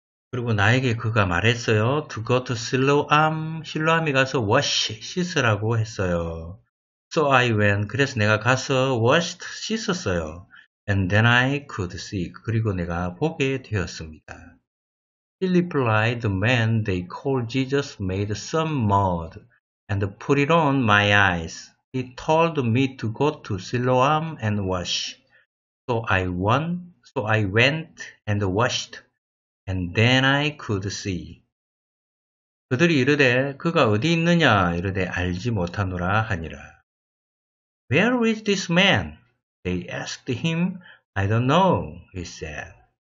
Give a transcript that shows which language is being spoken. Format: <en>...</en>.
<ko>그리고 나에게 그가 말했어요.</ko> <en>To go to Siloam,</en> <ko>실로암에 가서</ko> <en>wash,</en> <ko>씻으라고 했어요.</ko> <en>So I went,</en> <ko>그래서 내가 가서</ko> <en>washed,</en> <ko>씻었어요.</ko> <en>And then I could see.</en> <ko>그리고 내가 보게 되었습니다.</ko> <en>He replied, the man they called Jesus made some mud and put it on my eyes. He told me to go to Siloam and wash. So I went and washed. And then I could see.</en> <ko>그들이 이르되 그가 어디 있느냐 이르되 알지 못하노라 하니라.</ko> <en>Where is this man? They asked him, I don't know, he said.</en>